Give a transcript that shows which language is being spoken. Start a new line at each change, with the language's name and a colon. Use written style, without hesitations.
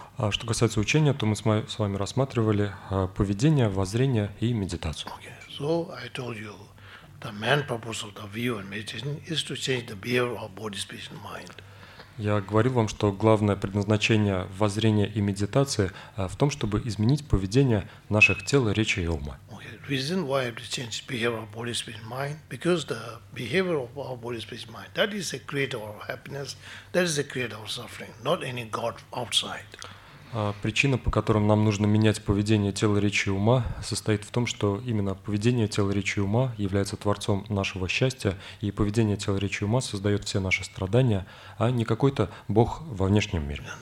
Russian: Что касается учения, то мы с вами рассматривали поведение, воззрение и медитацию.
English: Okay. So I told you, the main purpose of the view and meditation is to change the behavior of body, speech and mind.
Russian: Я говорил вам, что главное предназначение воззрения и медитации в том, чтобы изменить поведение наших тел, речи и ума.
English: Okay. Reason why I have to change behavior of body, speech, mind, because the behavior of our body, speech, mind, that is the creator of happiness, that is the creator of suffering, not any God outside.
Russian: Причина, по которой нам нужно менять поведение тела, речи и ума, состоит в том, что именно поведение тела, речи и ума является творцом нашего счастья, и поведение тела, речи и ума создает все наши страдания, а не какой-то бог во внешнем мире.